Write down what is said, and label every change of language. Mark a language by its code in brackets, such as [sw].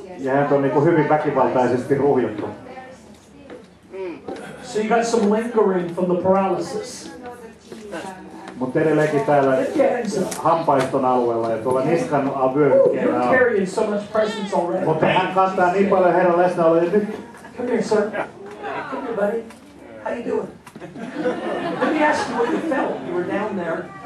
[fi] Ja hän on niinku hyvin väkivaltaisesti ruhjuttu. [en] So you got some lingering from the paralysis. [fi] Mutta edelleenkin täällä hampaiston alueella ja tuolla niskan vyöhykkeellä on. Mutta hän kantaa niin paljon Herran läsnäoloa nyt. [en] Come here, sir. Come here, buddy. How you doing? Let me ask you what you felt. You were down there.